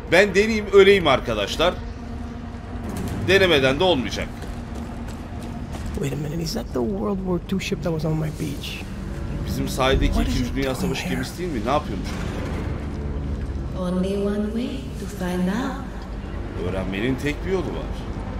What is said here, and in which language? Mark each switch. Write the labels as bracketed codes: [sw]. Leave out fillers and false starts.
[tr] Ben deneyeyim, öleyim arkadaşlar. Denemeden de olmayacak. [en] Wait a minute. Is that the World War II ship that was on my beach? [tr] Bizim sahildeki 2. Dünya Savaşı gemisi değil mi? Ne yapıyormuş? [en] Only one way to find out. [tr] Öğrenmenin tek bir yolu var.